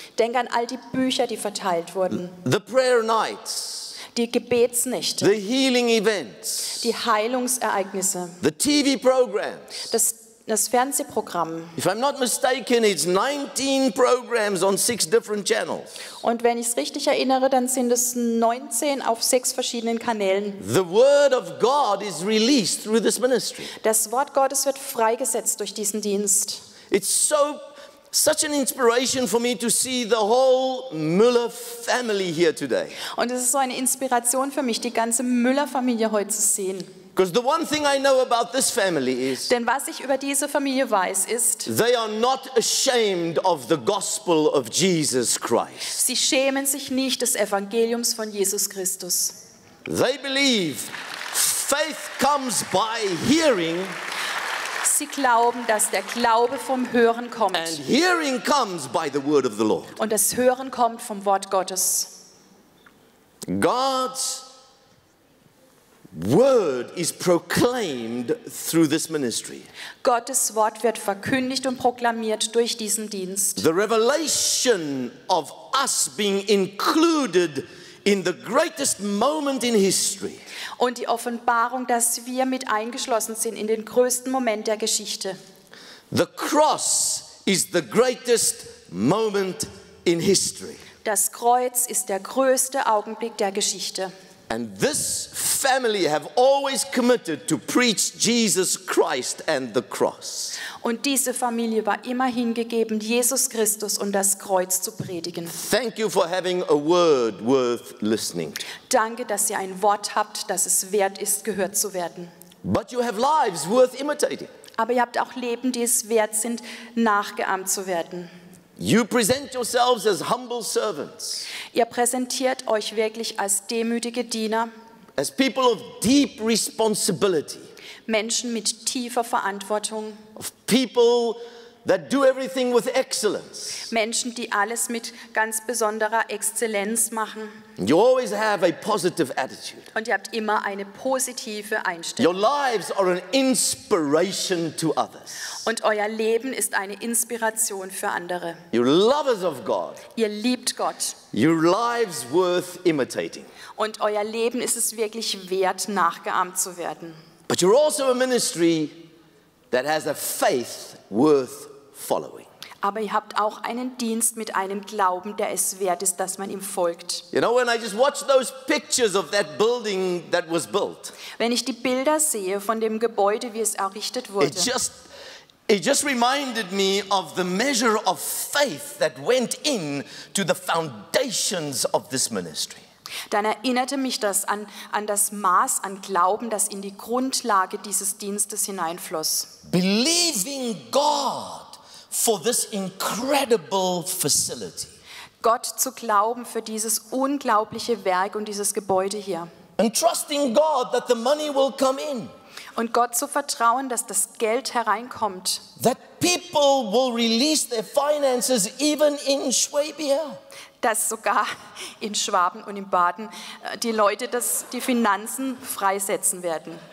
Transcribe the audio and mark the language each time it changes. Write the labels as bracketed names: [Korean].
[German] Denk an all die Bücher, die verteilt wurden. [English] The prayer nights. [German] Die Gebetsnächte. [English] The healing events. [German] Die Heilungsereignisse. [English] The TV programs. [German] Das Fernsehprogramm. [English] If I'm not mistaken, it's 19 programs on 6 different channels. [German] Und wenn ich es richtig erinnere, dann sind es 19 auf 6 verschiedenen Kanälen. [English] The word of God is released through this ministry. [German] Das Wort Gottes wird freigesetzt durch diesen Dienst. [English] It's so such an inspiration for me to see the whole Müller family here today. [German] Und es ist so eine Inspiration für mich, die ganze Müller-Familie heute zu sehen. [English] Because the one thing I know about this family is, [German] denn was ich über diese Familie weiß, ist, [English] they are not ashamed of the gospel of Jesus Christ. [German] Sie schämen sich nicht des Evangeliums von Jesus Christus. [English] They believe faith comes by hearing. [German] Sie glauben, dass der Glaube vom Hören kommt. [English] And hearing comes by the word of the Lord. [German] Und das Hören kommt vom Wort Gottes. [English] God's word is proclaimed through this ministry. [German] Gottes Wort wird verkündigt und proklamiert durch diesen Dienst. [English] The revelation of us being included in the greatest moment in history. [German] Und die Offenbarung, dass wir mit eingeschlossen sind in den größten Moment der Geschichte. [English] The cross is the greatest moment in history. [German] Das Kreuz ist der größte Augenblick der Geschichte. [English] And this family have always committed to preach Jesus Christ and the cross. [German] Und diese Familie war immer hingegeben, Jesus Christus und das Kreuz zu predigen. [English] Thank you for having a word worth listening to. [German] Danke, dass ihr ein Wort habt, das es wert ist, gehört zu werden. [English] But you have lives worth imitating. [German] Aber ihr habt auch Leben, die es wert sind, nachgeahmt zu werden. [English] You present yourselves as humble servants. [German] Ihr präsentiert euch wirklich als demütige Diener. [English] As people of deep responsibility. [German] Menschen mit tiefer Verantwortung. [English] Of people that do everything with excellence. [German] Menschen, die alles mit ganz besonderer Exzellenz machen. [English] You always have a positive attitude. [German] Und ihr habt immer eine positive Einstellung. [English] Your lives are an inspiration to others. [German] Und euer Leben ist eine Inspiration für andere. [English] You're lovers of God. [German] Ihr liebt Gott. [English] Your life's worth imitating. [German] Und euer Leben ist es wirklich wert, nachgeahmt zu werden. [English] But you're also a ministry that has a faith worth following. [German] Aber ihr habt auch einen Dienst mit einem Glauben, der es wert ist, dass man ihm folgt. [English] You know, when I just watch those pictures of that building that was built. [German] Wenn ich die Bilder sehe von dem Gebäude, wie es errichtet wurde. [English] It just reminded me of the measure of faith that went in to the foundations of this ministry. [German] Dann erinnerte mich das an das Maß an Glauben, das in die Grundlage dieses Dienstes hineinfloss. [English] Believing God for this incredible facility. [German] Gott zu glauben für dieses unglaubliche Werk und dieses Gebäude hier. [English] And trusting God that the money will come in. [German] Und Gott zu vertrauen, dass das Geld hereinkommt. [English] That people will release their finances even in Schwabia. [German] Dass sogar in Schwaben und in Baden die Leute das, die Finanzen freisetzen werden.